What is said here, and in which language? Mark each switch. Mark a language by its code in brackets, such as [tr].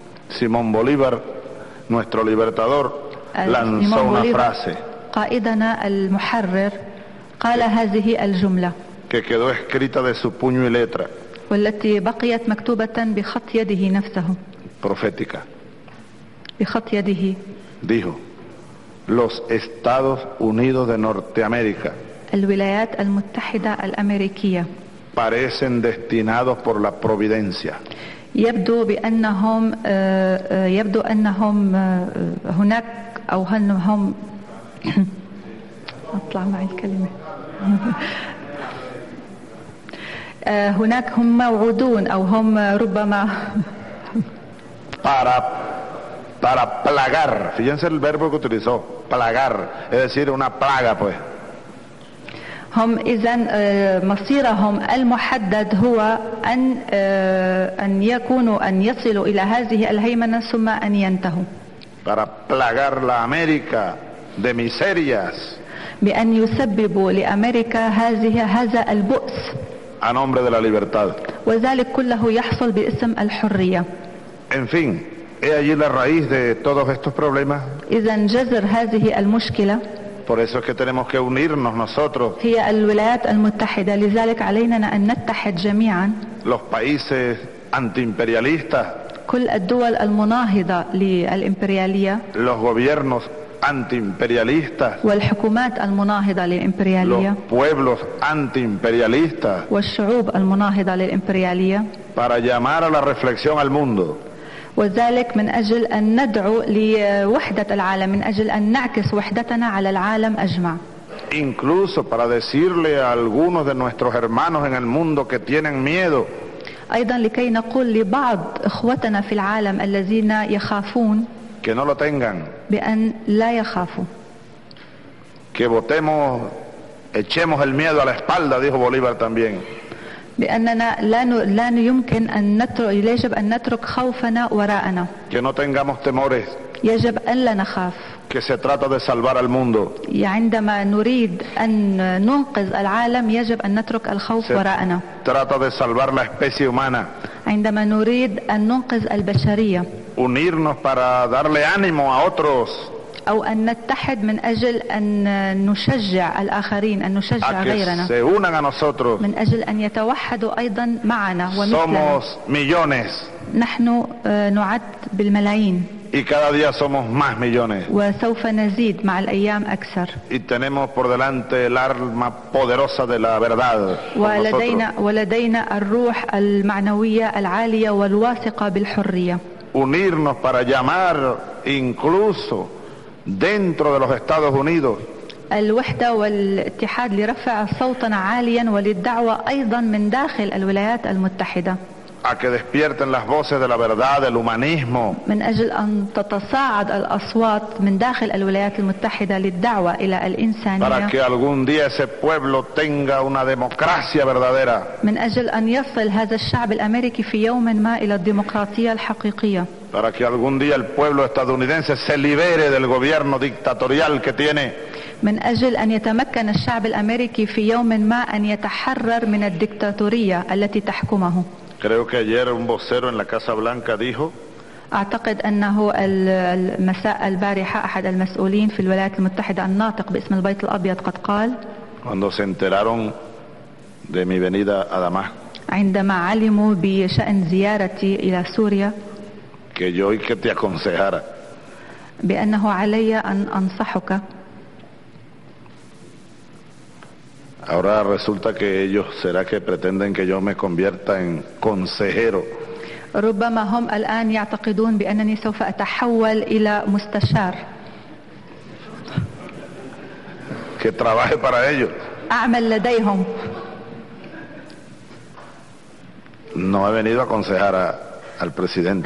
[es] Simón Bolívar, nuestro libertador, lanzó una frase. [ar] قائدنا المحرر قال هذه الجملة. [es] Que quedó escrita de su puño y letra. [ar] والتي بقيت مكتوبة بخط يده نفسه. [es] Profética. [ar] بخط يده. [es] Dijo. Los Estados Unidos de Norteamérica. [ar] الولايات المتحدة الأمريكية. [es] Parecen destinados por la providencia. [ar] يبدو بأنهم يبدو أنهم هناك أو أنهم أطلع معي الكلمة. هناك هم موعودون أو هم ربما [es] para plagar. Fíjense el verbo que utilizó, plagar, es decir, una plaga, pues. [ar] هم إذن مصيرهم المحدد هو أن أن يكونوا أن يصلوا إلى هذه الهيمنة ثم أن ينتهوا. [es] Para plagar la América de miserias. [ar] بأن يسببوا لأمريكا هذه هذا البؤس. [es] A nombre de la libertad. [ar] وذلك كله يحصل باسم الحرية. [es] En fin, he allí la raíz de todos estos problemas. [ar] إذن جذر هذه المشكلة. [es] Por eso es que tenemos que unirnos nosotros. [ar] هي الولايات المتحدة لذلك علينا أن نتحد جميعا. [es] Los países antiimperialistas. [ar] كل الدول المناهضة للإمبريالية. [es] Los gobiernos antiimperialistas. [ar] والحكومات المناهضة للإمبريالية. [es] Los pueblos antiimperialistas. [ar] والشعوب المناهضة للإمبريالية. [es] Para llamar a la reflexión al mundo. [ar] وذلك من أجل أن ندعو لوحدة العالم من أجل أن نعكس وحدتنا على العالم أجمع. [es] Incluso para decirle a algunos de nuestros hermanos en el mundo que tienen miedo. [ar] أيضا لكي نقول لبعض إخوتنا في العالم الذين يخافون. [es] Que no lo tengan. [ar] بأن لا يخافوا. [es] Que botemos, echemos el miedo a la espalda, dijo Bolívar también. [ar] بأننا لا يمكن أن نترك يجب أن نترك خوفنا وراءنا. [es] Que no tengamos temores. [ar] يجب أن لا نخاف. [es] Que se trata de salvar al mundo. [ar] عندما نريد أن ننقذ العالم يجب أن نترك الخوف وراءنا. [es] Trata de salvar la especie humana. [ar] عندما نريد أن ننقذ البشرية. [es] Unirnos para darle ánimo a otros. [ar] أو أن نتحد من أجل أن نشجع الآخرين أن نشجع غيرنا [es] se unan a nosotros. [ar] من أجل أن يتوحدوا أيضا معنا ومثلنا [es] somos millones. [ar] نحن نعد بالملايين [es] y cada día somos más millones. [ar] وسوف نزيد مع الأيام أكثر [es] y tenemos por delante el arma poderosa de la verdad [ar] ولدينا الروح المعنوية العالية والواثقة بالحرية [es] unirnos para llamar incluso dentro de los Estados Unidos. [ar] الوحدة والاتحاد لرفع صوتنا عاليا وللدعوة أيضا من داخل الولايات المتحدة. [es] A que despierten las voces de la verdad, del humanismo. [ar] من أجل أن تتصاعد الأصوات من داخل الولايات المتحدة للدعوة إلى الإنسانية. [es] Para que algún día ese pueblo tenga una democracia verdadera. [ar] من أجل أن يصل هذا الشعب الأمريكي في يوم ما إلى الديمقراطية الحقيقية. [es] Para que algún día el pueblo estadounidense se libere del gobierno dictatorial que tiene. [ar] من أجل أن يتمكن الشعب الأمريكي في يوم ما أن يتحرر من الدكتاتورية التي تحكمه. [es] Creo que ayer un vocero en la Casa Blanca dijo. [ar] أعتقد أنه المساء البارحة أحد المسؤولين في الولايات المتحدة الناطق باسم البيت الأبيض قد قال. [es] Cuando se enteraron de mi venida a Damasco. [ar] عندما علموا بشأن زيارتي إلى سوريا. [es] Que yo y que te aconsejara. [ar] بأنه علي أن أنصحك. [es] Ahora resulta que ellos, ¿será que pretenden que yo me convierta en consejero? [ar] ربما هم الآن يعتقدون بأنني سوف أتحول إلى مستشار. [es] Que trabaje para ellos. [ar] أعمل لديهم. [es] No he venido a aconsejar a al presidente,